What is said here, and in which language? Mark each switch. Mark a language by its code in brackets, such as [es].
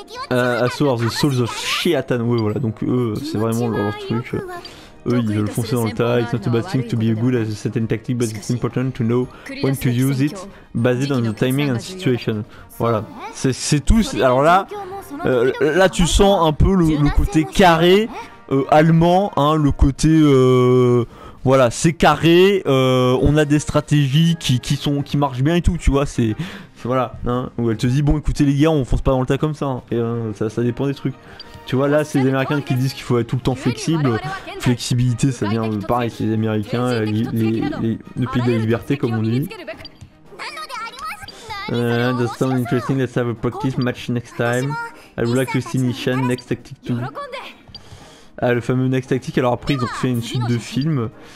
[fr] Assault the Souls of Shiatan. Ouais, voilà, donc eux, c'est vraiment leur truc. Eux, ils veulent foncer dans le tas. [en] It's not a bad thing to be good at a certain tactic, but it's important to know when to use it, based on the timing and situation. [fr] Voilà, c'est tout. Alors là, là, tu sens un peu le côté carré allemand, hein, le côté. Voilà, c'est carré, on a des stratégies qui marchent bien et tout, tu vois, c'est. Voilà, hein, où elle te dit, bon, écoutez les gars, on fonce pas dans le tas comme ça, hein, et ça dépend des trucs. Tu vois, là, c'est les Américains qui disent qu'il faut être tout le temps flexible. Flexibilité, ça vient pareil, c'est les Américains, le pays de la liberté, comme on dit. [en] That's so interesting, let's have a practice match next time. I would like to see Nishan next tactic too. [fr] Ah, le fameux next tactic, alors après, ils ont fait une suite de films.